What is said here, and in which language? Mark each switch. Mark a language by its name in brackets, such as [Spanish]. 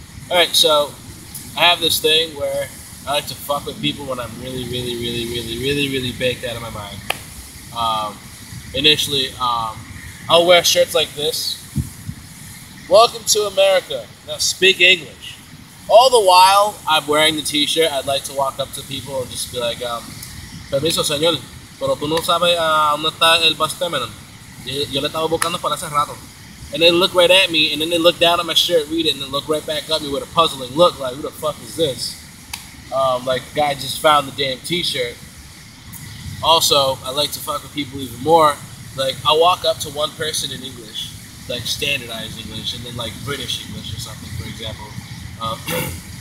[English] Alright, so I have this thing where I like to fuck with people when I'm really, really, really, really, really, really baked out of my mind. Initially, I'll wear shirts like this. Welcome to America. Now speak English. All the while I'm wearing the t-shirt, I'd like to walk up to people and just be like, [Spanish] permiso, señor. Pero tú no sabes dónde está el [English] bus terminal. [Spanish] Yo le estaba buscando para hace rato. [English] And they look right at me, and then they look down at my shirt, read it, and then look right back at me with a puzzling look, like, who the fuck is this? Like, guy just found the damn t-shirt. Also, I like to fuck with people even more. Like, I walk up to one person in English, like, standardized English, and then, like, British English or something, for example.